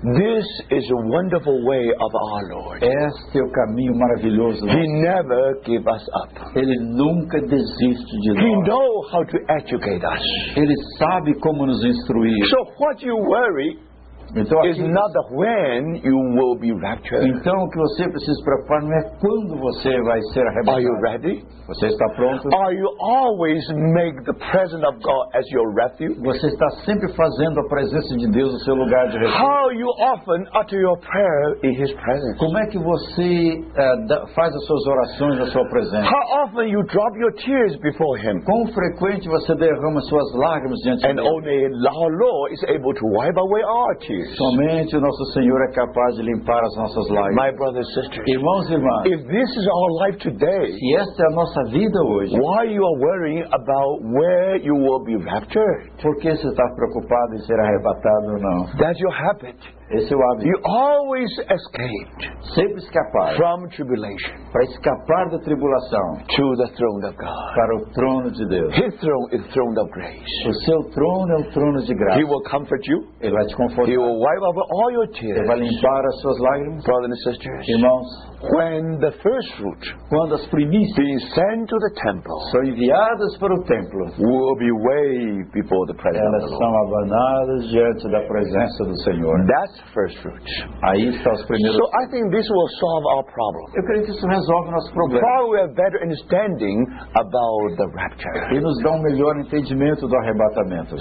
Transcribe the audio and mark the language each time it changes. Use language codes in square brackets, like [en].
[en] this is a wonderful way of our Lord. [pt] Este é o caminho maravilhoso. [en] He never give us up. [pt] Ele nunca desiste de nós. [en] He know how to educate us. [pt] Ele sabe como nos instruir. [en] So what you worry, [pt] Então, aqui, [en] is not the when you will be raptured. [pt] Então o que você precisa preocupar não é quando você vai ser arrebatado. [en] Are you ready? [pt] Você está pronto? [en] Are you always make the presence of God as your refuge? [pt] Você está sempre fazendo a presença de Deus o seu lugar de refúgio? [en] How you often utter your prayer in His presence? [pt] Como é que você faz as suas orações na sua presença? [en] How often you drop your tears before Him? [pt] Quão frequente você derrama suas lágrimas diante [en] and [pt] de Deus? [en] And only our Lord is able to wipe away our tears. [pt] Somente o nosso Senhor é capaz de limpar as nossas lágrimas. [en] My brothers and sisters, [pt] irmãos e irmãs, [en] if this is our life today, [pt] se esta é a nossa vida hoje, [en] why you are worrying about where you will be raptured? [pt] Por que você está preocupado em ser arrebatado ou não? [en] That's your habit. [pt] Esse é o hábito. [en] You always escaped. [pt] Sempre escapar. [en] From tribulation. [pt] Para escapar da tribulação. [en] To the throne of God. [pt] Para o trono de Deus. [en] His throne is throne of grace. [pt] O seu trono é o trono de graça. [en] He will comfort you. [pt] Ele vai te confortar. [en] He will wipe away all your tears. [pt] Ele vai limpar as suas lágrimas. [en] Brothers and sisters. [pt] Irmãos. [en] When the first fruit, [pt] quando as primícias, [en] being sent to the temple, [pt] são enviadas para o templo, [en] will be way before the presence of the Lord. [pt] Elas são abanadas diante da presença do Senhor. [en] That's first fruit. [pt] Aí estão os primeiros. [en] So I think this will solve our problem. [pt] Eu creio que isso resolve nosso problema. [en] Now we have better understanding about the rapture. [pt] E nos dá um melhor entendimento do arrebatamento.